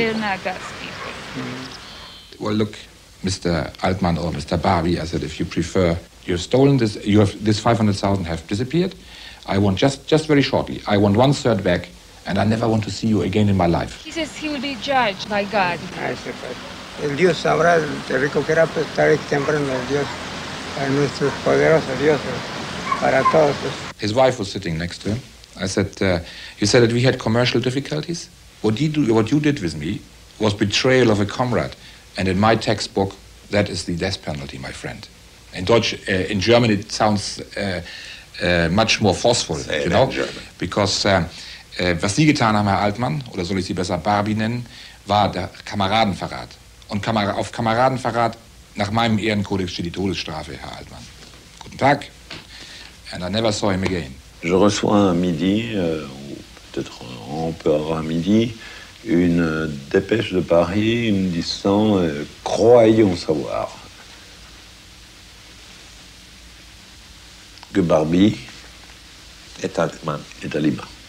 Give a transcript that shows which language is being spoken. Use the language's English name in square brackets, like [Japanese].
[English] They're not God's people. Well, look, Mr. Altman or Mr. Barbie, I said, if you prefer, you've stolen this, you have this 500,000 have disappeared. I want just very shortly, I want 1/3 back, and I never want to see you again in my life. He says he will be judged by God. [Spanish] El Dios sabrá, te recogerá tarde o temprano, el Dios, nuestro poderoso Dios, para todos. [English] His wife was sitting next to him. I said, "You said that we had commercial difficulties. What you did with me was betrayal of a comrade, and in my textbook, that is the death penalty, my friend. In Deutsch, in German, it sounds much more forceful, say you it know, in German. [German] Because was Sie getan haben, Herr Altmann, oder soll ich Sie besser Barbie nennen, war der Kameradenverrat. Und auf Kameradenverrat nach meinem Ehrenkodex steht die Todesstrafe, Herr Altmann. Guten Tag." [English] And I never saw him again. [French] Je reçois à midi, ou peut-être un peu avant midi, une dépêche de Paris me disant croyons savoir que Barbie est à Lima.